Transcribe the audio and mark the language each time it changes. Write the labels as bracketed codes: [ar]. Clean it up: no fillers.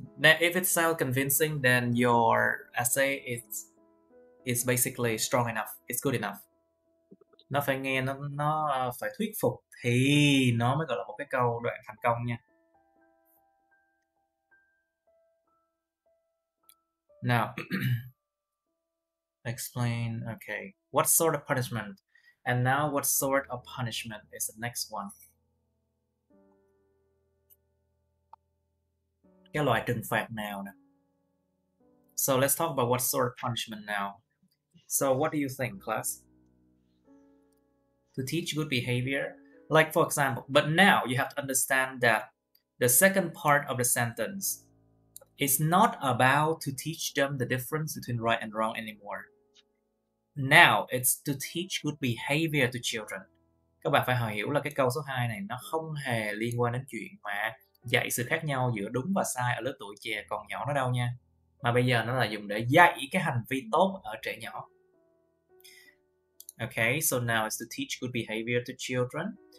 [en] Now, if it sounds convincing, then your essay is basically strong enough. It's good enough. [vi] Nó phải nghe, nó phải thuyết phục thì nó mới gọi là một cái câu đoạn thành công nha. [en] Now, explain. Okay. What sort of punishment? And now, what sort of punishment is the next one? [vi] Cái loại trừng phạt nào nè. [en] So let's talk about what sort of punishment now. So what do you think, class? To teach good behavior? Like for example, but now you have to understand that the second part of the sentence is not about to teach them the difference between right and wrong anymore. Now it's to teach good behavior to children. [vi] Các bạn phải hiểu là cái câu số 2 này nó không hề liên quan đến chuyện mà dạy sự khác nhau giữa đúng và sai ở lứa tuổi trẻ còn nhỏ nó đâu nha, mà bây giờ nó là dùng để dạy cái hành vi tốt ở trẻ nhỏ. [en] Okay, so now it's to teach good behavior to children.